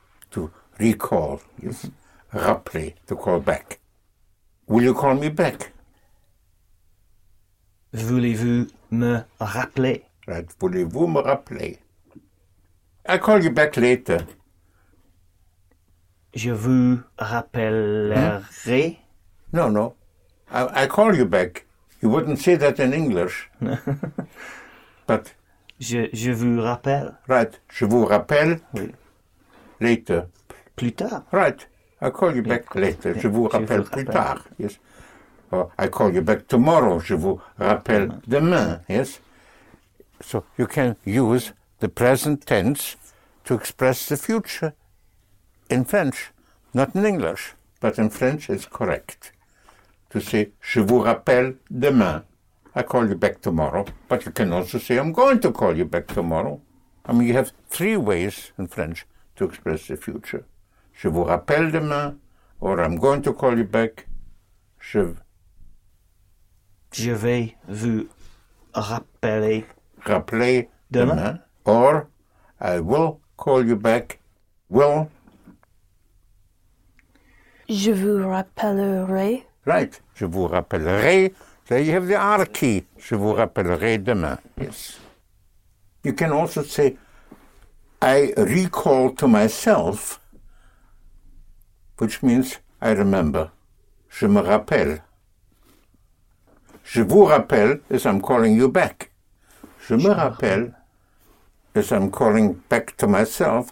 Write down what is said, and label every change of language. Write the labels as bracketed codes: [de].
[en] To recall is rappeler, to call back. Will you call me back? [fr] Voulez-vous me rappeler? Right, voulez-vous me rappeler? [en] I call you back later. [fr] Je vous rappellerai? [en] No. I call you back. You wouldn't say that in English. But... [fr] Je vous rappelle. Right. Je vous rappelle [en] later. [fr] Plus tard. [en] Right. I call you back later. [fr] Je vous rappelle plus tard. [en] Yes. Or I call you back tomorrow. [fr] Je vous rappelle demain. [en] Yes. So you can use the present tense to express the future in French. Not in English. But in French it's correct. To say, [fr] je vous rappelle demain. [en] I call you back tomorrow. But you can also say, I'm going to call you back tomorrow. I mean, you have three ways in French to express the future. [fr] Je vous rappelle demain, [en] or I'm going to call you back. [fr] Je vais vous rappeler [en] demain. Or, I will call you back. Will. [fr] Je vous rappellerai. [en] Right, [fr] je vous rappellerai. [en] There you have the R key. [fr] Je vous rappellerai demain. [en] Yes. You can also say, I recall to myself, which means I remember. [fr] Je me rappelle. Je vous rappelle [en] is I'm calling you back. [fr] Je me rappelle [en] is I'm calling back to myself.